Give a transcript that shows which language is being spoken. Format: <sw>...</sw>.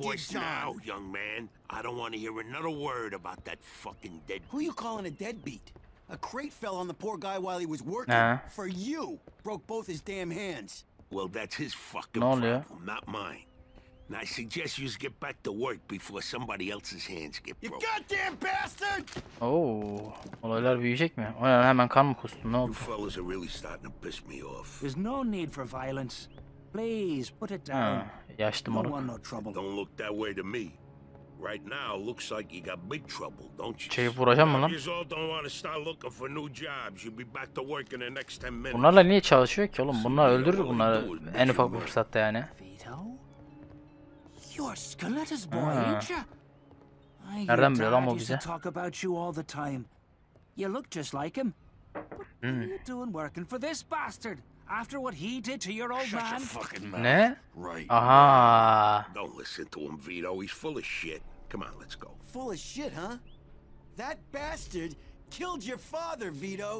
<en>Lower your voice now, young man. I don't want to hear another word about that fucking deadbeat. Who are you calling a deadbeat? A crate fell on the poor guy while he was working for you. Broke both his damn hands. Well, that's his fucking problem, not mine. Now, I suggest you get back to work before somebody else's hands get broken. You goddamn bastard!</en> <tr>Oh, olaylar büyüyecek mi? O ya, hemen kan mı kustun? Ne oldu?</tr> <en>You fellas are really starting to piss me off. There's no need for violence. Please put it down.</en> <tr>Yaşlı moruk.</tr> <en>No one, no trouble. Don't look that way to me. Right now looks like you got big trouble, don't you?</en> <tr>Çeyi vuracağım mı lan?</tr> <en>You all don't want to start looking for new jobs. You'll be back to work in the next 10 minutes.</en> <tr>Bunlarla niye çalışıyor ki oğlum? Bunlar öldürür bunları en ufak bir fırsatta yani.</tr> <en>Vito? You're Skeletor's boy, ain't ya?</en> <tr>Nereden biliyor lan o bize?</tr> <en>Talk about you all the time. You look just like him. What are you doing working for this bastard? After what he did to your old man.</en> <tr>Ne?</tr> <en>Right. Aha. Don't listen to him, Vito. He's full of shit. Come on, let's go. Full of shit, huh? That bastard killed your father, Vito.</en>